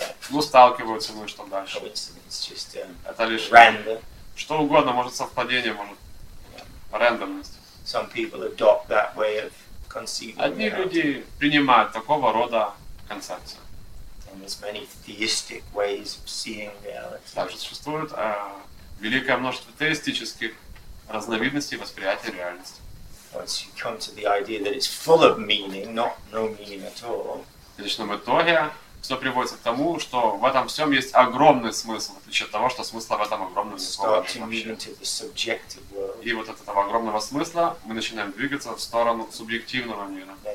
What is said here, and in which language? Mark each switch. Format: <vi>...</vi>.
<ru>Ну, сталкиваются мы, что дальше. Это лишь</ru> <en>random.</en> <ru>Что угодно, может совпадение, может рандомность.</ru> <en>Some people adopt that way of conceiving.</en> <ru>Одни люди принимают такого рода концепцию.</ru> <en>And there's many theistic ways of seeing reality.</en> <ru>Также существует великое множество теистических разновидности восприятия реальности.</ru> <en>Once you come to the idea that it's full of meaning, not no meaning at all.</en> <ru>В конечном итоге все приводится к тому, что в этом всем есть огромный смысл, в отличие от того, что смысла в этом огромном не бывает. И вот от этого огромного смысла мы начинаем двигаться в сторону субъективного мира.</ru>